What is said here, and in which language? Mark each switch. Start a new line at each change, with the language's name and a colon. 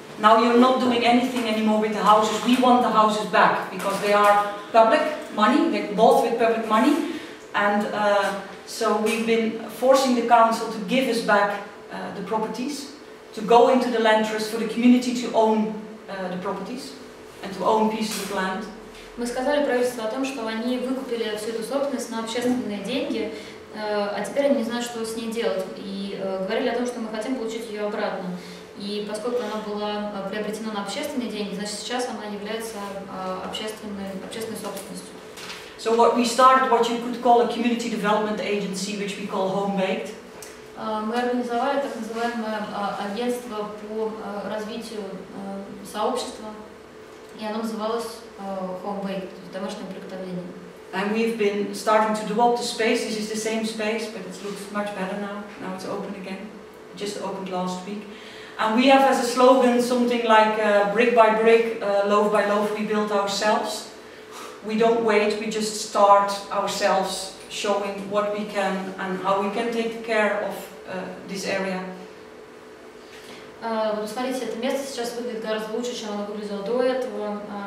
English: Now you're not doing anything anymore with the houses. We want the houses back because they are public money. They're bought with public money, and so we've been forcing the council to give us back the properties, to go into the land trust for the community to own the properties and to own pieces of land.
Russian: Мы сказали правительству о том, что они выкупили всю эту собственность на общественные деньги, а теперь они не знают, что с ней делать. И говорили о том, что мы хотим получить ее обратно. И поскольку она была приобретена на общественные деньги, значит сейчас она является общественной собственностью.
English: So what we started, what you could call a community development agency, which we call Homebaked.
Russian: Мы организовали так называемое агентство по развитию сообщества. И оно называлось Homebaked, домашнее приготовление.
English: And we've been starting to develop the space. This is the same space, but it looks much better now. Now it's open again. It just opened last week. And we have as a slogan something like brick by brick, loaf by loaf, we build ourselves. We don't wait, we just start ourselves showing what we can and how we can take care of this area.
Russian: Вот смотрите, это место сейчас выглядит гораздо лучше, чем оно выглядело до этого.